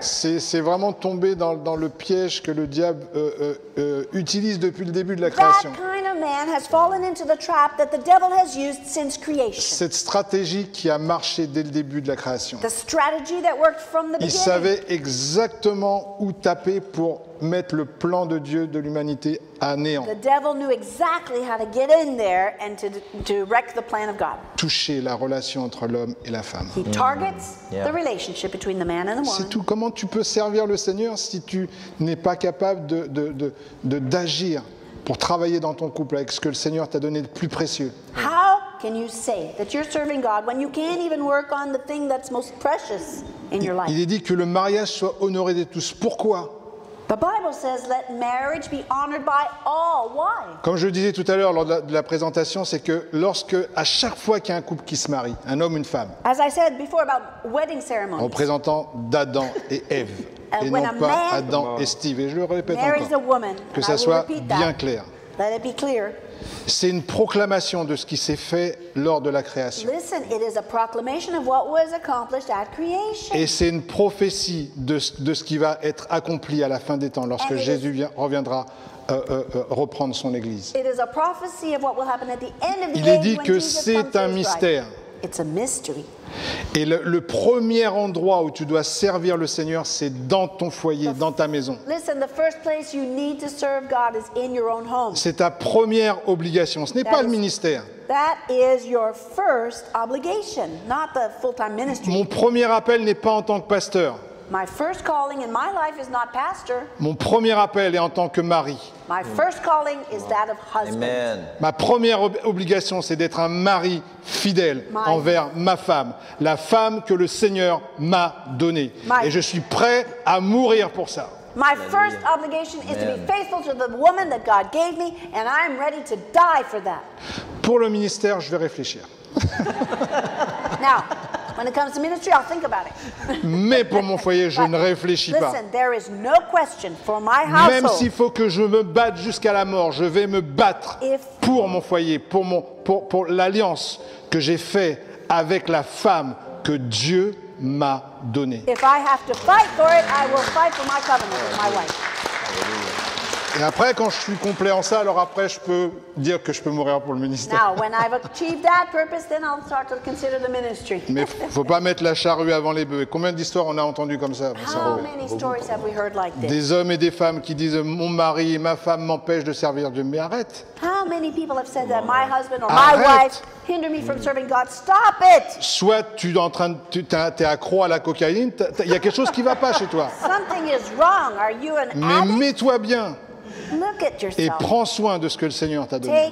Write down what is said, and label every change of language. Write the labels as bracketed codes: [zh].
[fr] C'est vraiment tombé dans le piège que le diable utilise depuis le début de la création. [en] That kind of man has fallen into the trap that the devil has used since creation. [fr] Cette stratégie qui a marché dès le début de la création. [en] The strategy that worked from the beginning. [fr] Il savait exactement où taper pour mettre le plan de Dieu de l'humanité à néant. [en] The devil knew exactly how to get in there and to wreck the plan of God. [fr] Toucher la relation entre l'homme et la femme. [en] He targets the relationship between the man and the woman. [fr] C'est tout. Comment tu peux servir le Seigneur si tu n'es pas capable de d'agir pour travailler dans ton couple avec ce que le Seigneur t'a donné de plus précieux? [en] How can you say that you're serving God when you can't even work on the thing that's most precious in your life? [fr] Il est dit que le mariage soit honoré de tous. Pourquoi? [en] The Bible says, "Let marriage be honored by all." Why? [fr] Comme je le disais tout à l'heure lors de la présentation, c'est que lorsque, à chaque fois qu'il y a un couple qui se marie, un homme, une femme. [en] As I said before about wedding ceremonies. [fr] Représentant d'Adam et Ève, et non pas Adam et Steve. Et je le répète encore. [en] Woman, [fr] que ça soit bien clair. [en] Let it be clear. [fr] C'est une proclamation de ce qui s'est fait lors de la création. [en] Listen, it is a proclamation of what was accomplished at creation. [fr] Et c'est une prophétie de ce qui va être accompli à la fin des temps lorsque Jésus reviendra reprendre son Église. [en] It is a prophecy of what will happen at the end of the [fr] Il est dit que c'est un mystère. [en] It's a mystery. [fr] Et le premier endroit où tu dois servir le Seigneur, c'est dans ton foyer, dans ta maison. [en] Listen, the first place you need to serve God is in your own home. [fr] C'est ta première obligation. Ce n'est pas le ministère. [en] That is your first obligation, not the full-time ministry. [fr] Mon premier appel n'est pas en tant que pasteur. [en] My first calling in my life is not pastor. [fr] Mon premier appel est en tant que mari. [en] My first calling is that of husband. Amen. [fr] Ma première obligation, c'est d'être un mari fidèle envers ma femme, la femme que le Seigneur m'a donnée. Et je suis prêt à mourir pour ça. [en] My first obligation is to be faithful to the woman that God gave me, and I'm ready to die for that. [fr] Pour le ministère, je vais réfléchir. [en] Now, when it comes to ministry, I'll think about it. [fr] Mais pour mon foyer, je ne réfléchis pas. [en] Listen, there is no question for my household. [fr] Même s'il faut que je me batte jusqu'à la mort, je vais me battre pour mon foyer, pour l'alliance que j'ai faite avec la femme que Dieu m'a donnée. [en] If I have to fight for it, I will fight for my covenant with my wife. [fr] Et après, quand je suis complet en ça, alors après, je peux dire que je peux mourir pour le ministère. [en] Now, when I've achieved that purpose, then I'll start to consider the ministry. [fr] Mais faut pas mettre la charrue avant les bœufs. Combien d'histoires on a entendu comme ça? [en] How many stories have we heard like this? [fr] Des hommes et des femmes qui disent mon mari et ma femme m'empêchent de servir Dieu. Mais arrête. [en] How many people have said that my husband or my wife hinder me from serving God? Stop it. [fr] Soit tu es en train de t'es accro à la cocaïne. Il y a quelque chose qui va pas chez toi. [en] Something is wrong. Are you an addict? [fr] Mais mets-toi bien. [en] Look at yourself. [fr] Et prends soin de ce que le Seigneur t'a donné.